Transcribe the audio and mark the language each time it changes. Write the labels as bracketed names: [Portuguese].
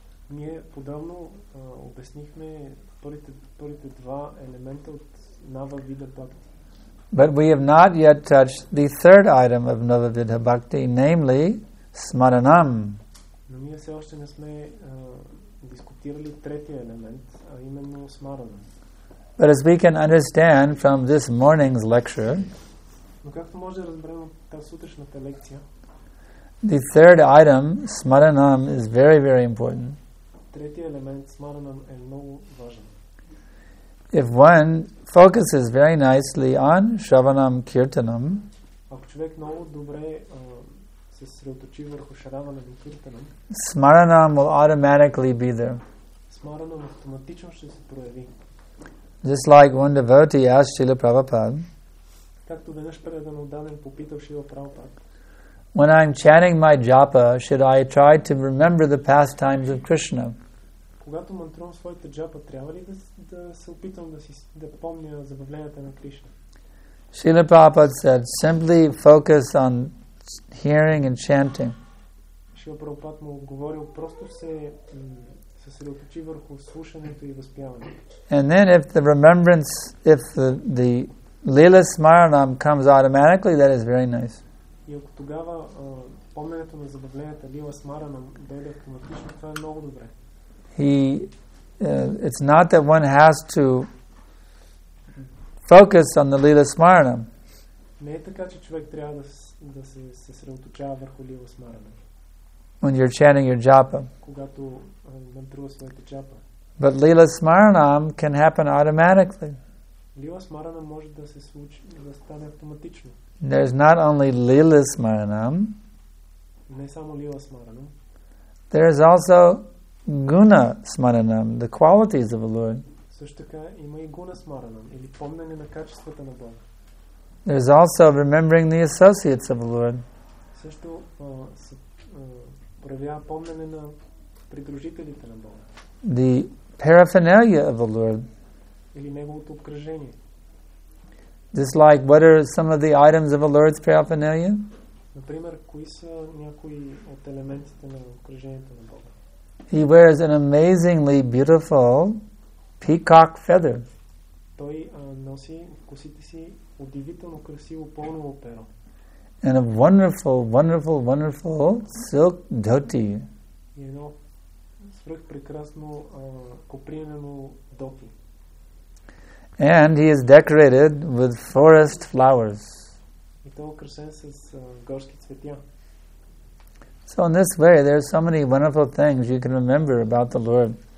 [Bulgarian] Ние подробно обяснихме първите два елемента от Nava Vidha Bhakti. [English] But we have not yet touched the third item of Nava Vidha Bhakti, namely Smaranam. [Bulgarian] Но ние все още не сме дискутирали третия елемент, а именно Смаранам. [English] But as we can understand from this morning's lecture, [Bulgarian] но както може да разберем от тази сутрешната лекция, [English] the third item, Smaranam, is very, very important. [Bulgarian] Третият елемент, Смаранам, е много важен. [English] If one focuses very nicely on Shravanam Kirtanam, [Bulgarian] ако човек много добре се съсредоточи върху Шраванам и Киртанам, [English] Смаранам will automatically be there. [Bulgarian] Смаранам автоматично ще се прояви. [English] Just like one devotee asked Srila Prabhupada, [Bulgarian] както веднъж предан отдаден попитал Шрила Прабхупада. [English] When I'm chanting my japa, should I try to remember the pastimes of Krishna? [Bulgarian] Когато мантрувам своята джапа, трябва ли да се опитам да помня забавленията на Кришна? [English] Шрила Прабхупада said, simply focus on hearing and chanting. [Bulgarian] Шрила Прабхупада му говорил, просто се съсредоточи върху слушането и възпяването. [English] And then if the remembrance, if the Lila Smaranam comes automatically, that is very nice. [Bulgarian] И ако тогава помнението на забавленията Лила Смаранам дойде автоматично, това е много добре. [English] It's not that one has to focus on the Lila Smaranam. [Bulgarian] Не е така, че човек трябва да се съсредоточава върху Лила Смаранам. [English] When you're chanting your japa. [Bulgarian] Когато мантрува своята джапа. [English] But Lila Smaranam can happen automatically. [Bulgarian] Лила Смаранам може да се случи, да стане автоматично. [English] There is not only Lila Smaranam. [Bulgarian] Не само Лила Смаранам. [English] There is also Guna Smaranam, the qualities of the Lord. [Bulgarian] Също така има и Guna Smaranam, или помнене на качествата на Бога. [English] There is also remembering the associates of the Lord. [Bulgarian] Също се проявява помнене на придружителите на Бога. [English] The paraphernalia of the Lord. [Bulgarian] Или неговото обкръжение. [English] Just like, what are some of the items of the Lord's paraphernalia? [Bulgarian] Например, кои са някои от елементите на обкръжението на Бога? [English] He wears an amazingly beautiful peacock feather. [Bulgarian] Той носи в косите си удивително красиво пълново перо. [English] And a wonderful, wonderful, wonderful silk dhoti. [Bulgarian] И едно свръх прекрасно копринено дхоти. [English] And he is decorated with forest flowers. [Bulgarian] И той е украсен с горски цветя. [English] So in this way, there are so many wonderful things you can remember about the Lord.